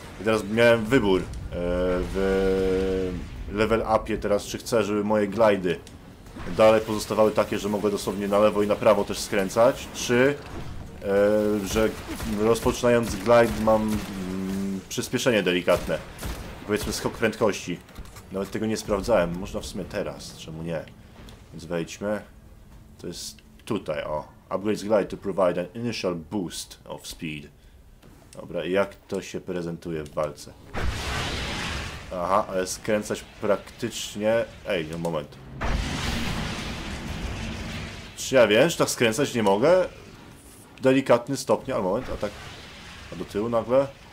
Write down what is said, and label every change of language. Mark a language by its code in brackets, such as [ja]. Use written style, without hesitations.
[pl] I teraz miałem wybór w level upie teraz, czy chcę, żeby moje glajdy dalej pozostawały takie, że mogę dosłownie na lewo i na prawo też skręcać, czy że rozpoczynając glajd mam przyspieszenie delikatne. Powiedzmy skok prędkości. Nawet tego nie sprawdzałem. Można w sumie teraz, czemu nie? Więc wejdźmy. To jest tutaj, o. [en] Upgrade glide to provide an initial boost of speed. [pl] Dobra, jak to się prezentuje w walce? Aha, ale skręcać praktycznie... Ej, no moment. Czy ja wiem, że tak skręcać nie mogę? Delikatny stopnie, ale moment, a tak... A do tyłu nagle?